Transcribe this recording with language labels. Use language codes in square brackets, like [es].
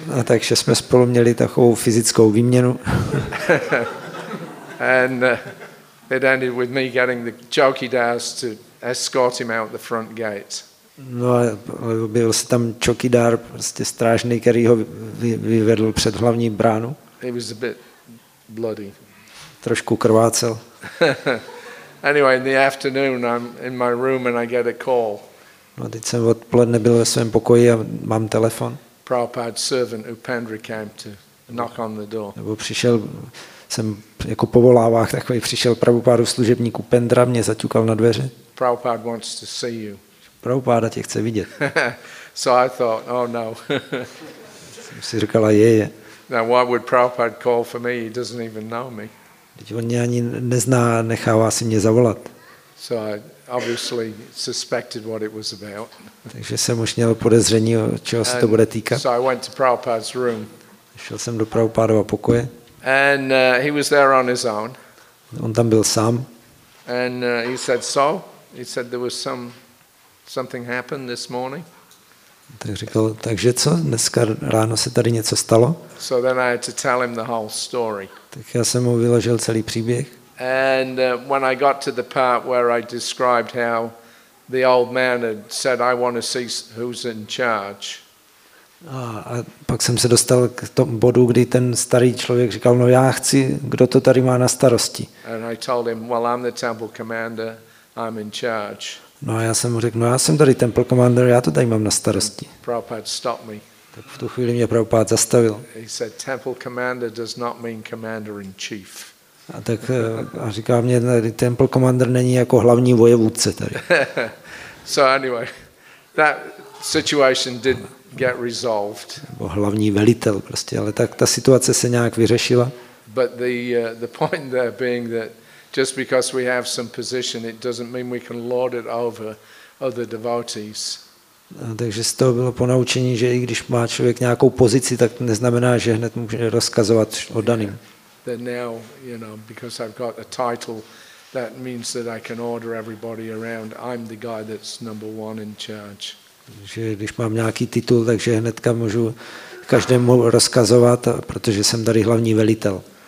[cs] A takže jsme spolu měli takovou fyzickou výměnu. [en] And it ended with me getting the chowkidars to escort him out the front gate. [cs] No, byl se tam čokidár, prostě strážný, který ho vyvedl před hlavní bránu. [en] He was a bit bloody. [cs] Trošku krvácel. [en] Anyway, in the afternoon I'm in my room and I get a call. [cs] No, teď jsem odpoledne byl ve svém pokoji a mám telefon. [en] Prabhupada's servant Upendra came to knock on the door. [cs] Nebo přišel jsem jako povolávách takový, přišel Prabhupádův služebník Upendra, mě zaťukal na dveře. [en] Prabhupada wants to see you. [cs] Prabhupada tě chce vidět. [en] So I thought, oh no. [cs] Jsem si říkala, je. [en] Now why would Prabhupada call for me? He doesn't even know me. [cs] Teď on mě ani nezná, nechává si mě zavolat. [en] So I obviously suspected what it was about. [cs] Takže jsem už měl podezření, čeho se to bude týkat. [en] So I went to Prabhupada's room. [cs] Šel jsem do Prabhupádova pokoje. [en] And he was there on his own. [cs] On tam byl sám. [en] And he said so. He said there was something happened this morning. [cs] Tak řekl, takže co? Dneska ráno se tady něco stalo? [en] So then I had to tell him the whole story. [cs] Tak já jsem mu vyložil celý příběh. [en] And when I got to the part where I described how the old man had said, "I want to see who's in charge." [cs] A pak jsem se dostal k tomu bodu, kdy ten starý člověk říkal, no já chci, kdo to tady má na starosti. [en] And I told him, "Well, I'm the temple commander. I'm in charge." [cs] No a já jsem mu řekl, no já jsem tady temple commander, já to tady mám na starosti. [en] Prabhupada stopped me. [cs] Tak v tu chvíli mě Prabhupada zastavil. [en] He said, "Temple commander does not mean commander in chief." [cs] A tak a říká mě, tady temple commander není jako hlavní vojevůdce tady. [en] So anyway, that situation did get resolved. [cs] Nebo hlavní velitel prostě, ale tak ta situace se nějak vyřešila. [en] But the point there being that just because we have some position, it doesn't mean we can lord it over other devotees. [cs] A takže z toho bylo ponaučení, že i když má člověk nějakou pozici, tak to neznamená, že hned může rozkazovat oddaným. [en] Yeah. That now, you know, because I've got a title, that means that I can order everybody around. I'm the guy that's number one in charge. [cs] Že když mám nějaký titul, takže hnedka můžu každému rozkazovat, protože jsem tady hlavní velitel.